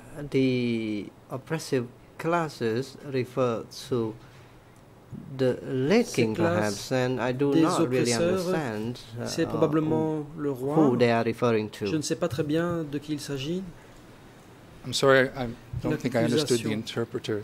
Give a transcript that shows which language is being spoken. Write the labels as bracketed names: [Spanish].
[English] The oppressive classes refer to the late king, perhaps, and I do not really understand [French] c'est probablement le roi. [English] Who they are referring to. [French] Je ne sais pas très bien de qui il s'agit. [English] I'm sorry, I don't think I understood the interpreter.